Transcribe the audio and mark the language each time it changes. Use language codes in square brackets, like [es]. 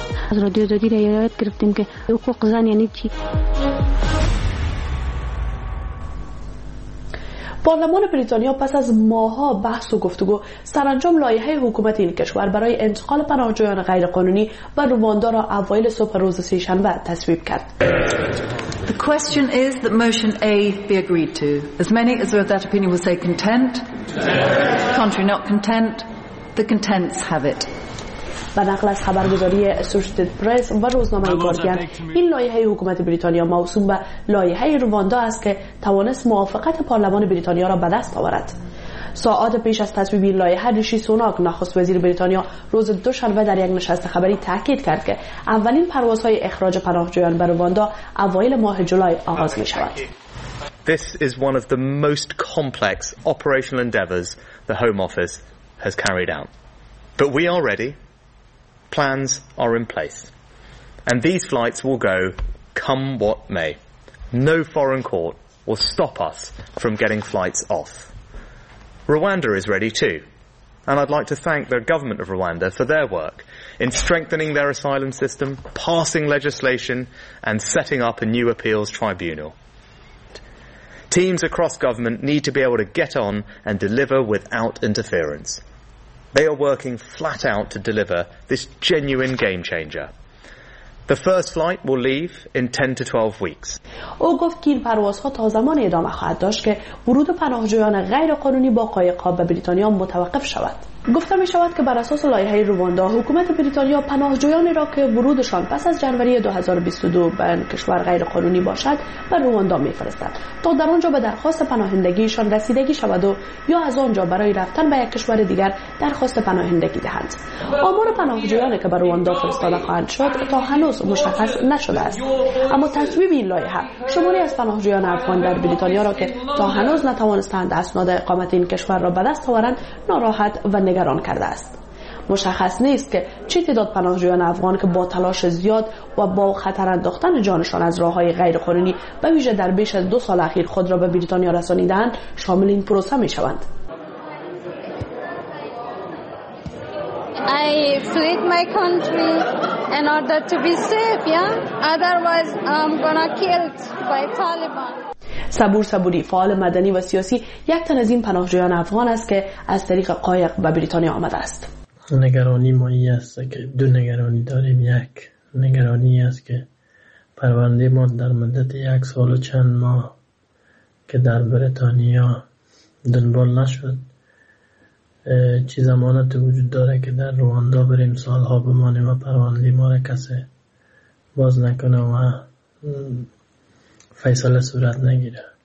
[fa] از رادیو زادی رایت گرفتیم که حقوق زن یعنی چی؟ پارلمان بریتانیا پس از ماها بحث و گفتگو سرانجام لایحه حکومت این کشور برای انتقال پناهجویان غیرقانونی به رواندا را اوایل صبح روز سه‌شنبه تصویب کرد. [en] The question is that motion A be agreed to. As many as are of that opinion will say content. Contrary not content. The contents have it. [fa] و نقل از خبرگزاری اسوشیتد پرس و روزنامه گاردین، این لایحه حکومت بریتانیا موسوم به لایحه رواندا است که توانست موافقت پارلمان بریتانیا را به دست آورد. ساعات پیش از تصویب این لایحه، ریشی سوناک نخست وزیر بریتانیا روز دوشنبه در یک نشست خبری تاکید کرد که اولین پروازهای اخراج پناهجویان به رواندا اوایل ماه جولای آغاز می شود. [en] This is one of the most complex operational endeavors the Home Office has carried out. But we are ready. Plans are in place, and these flights will go come what may. No foreign court will stop us from getting flights off. Rwanda is ready too, and I'd like to thank the government of Rwanda for their work in strengthening their asylum system, passing legislation, and setting up a new appeals tribunal. Teams across government need to be able to get on and deliver without interference. They are working flat out to deliver this genuine game changer. The first flight will leave in 10 to 12 weeks. [fa] او گفت که این پروازها تا زمان ادامه خواهد داشت که ورود پناهجویان غیرقانونی با قایق به بریتانیا متوقف شود. گفته می شود که بر اساس لایحه رواندا، حکومت بریتانیا پناهجویان را که ورودشان پس از جنوری 2022 به کشور غیرقانونی باشد به رواندا می فرستد تا در آنجا به درخواست پناهندگیشان رسیدگی شود و یا از آنجا برای رفتن به یک کشور دیگر درخواست پناهندگی دهند. آمار پناهجویان که به رواندا فرستاده خواهند شد تا هنوز مشخص نشده است، اما تصویب این لایحه شماری از پناهجویان افغان در بریتانیا را که تا هنوز نتوانستند اسناد اقامت این کشور را به دست آورند ناراحت و نگران کرده است. مشخص نیست که چه تعداد پناهجویان افغان که با تلاش زیاد و با خطر انداختن جانشان از راه‌های غیرقانونی به ویژه در بیش از دو سال اخیر خود را به بریتانیا رسانیدند شامل این پروسه می شوند. [en] I fled my country in order to be safe, yeah? Otherwise I'm gonna killed by Taliban. [fa] صبور صبوری، فعال مدنی و سیاسی، یک تن از این پناهجویان افغان است که از طریق قایق به بریتانیا آمده است. نگرانی ما این است که دو نگرانی داریم. یک نگرانی است که پرونده ما در مدت یک سال و چند ماه که در بریتانیا دنبال نشد چی زمانت وجود داره که در رواندا بریم سالها بمانه و پرونده ما را کسی باز نکنه و فیصله صورت نگیره.